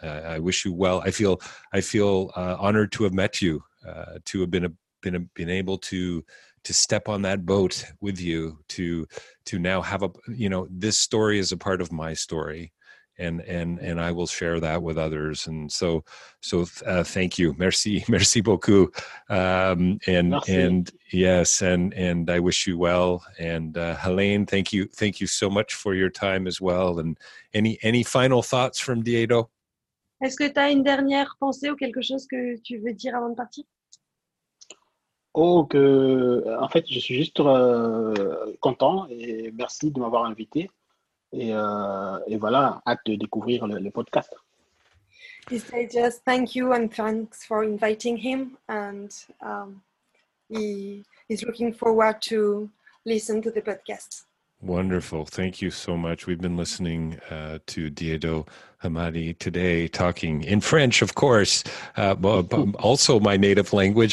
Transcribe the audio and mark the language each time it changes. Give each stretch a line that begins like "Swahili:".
English: I wish you well. I feel honored to have met you, to have been able to step on that boat with you, to now have a, you know, this story is a part of my story, and I will share that with others. And so thank you.
French: Merci beaucoup.
English: And I wish you well. And Helene, thank you so much for your time as well. And any final thoughts from Diego?
French: Est-ce que tu as une dernière pensée ou quelque chose que tu veux dire avant de partir? Oh, que en fait, je suis juste content et merci de m'avoir invité. Et voilà, hâte de découvrir le podcast.
English: He said just thank you and thanks for inviting him. And he is looking forward to listen to the podcast. Wonderful. Thank you so much. We've been listening to Diego Hamadi today, talking in French, of course, also my native language.